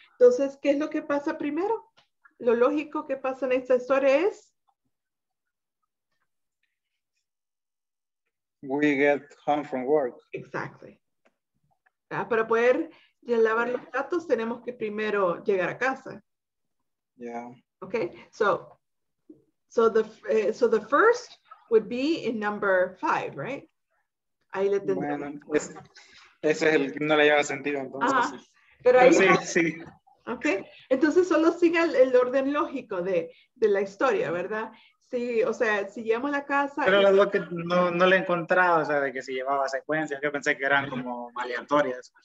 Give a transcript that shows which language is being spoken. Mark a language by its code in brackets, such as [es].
[es] Entonces, ¿qué es lo que pasa primero? Lo lógico que pasa en esta historia es... [en] We get home from work. Exactly. ¿Ah? [es] Para poder ya lavar los platos, tenemos que primero llegar a casa. [en] Yeah. Okay, so... So the so the first would be in number five, right? [es] Ahí le tendría. Bueno, ese es el que no le lleva sentido entonces. Ah, pero ahí sí, sí. [en] Okay. [es] Entonces solo siga el orden lógico de la historia, ¿verdad? Sí, o sea, si llegamos a la casa. Pero lo que no le he encontrado, o sea, de que si llevaba secuencias, yo pensé que eran como aleatorias.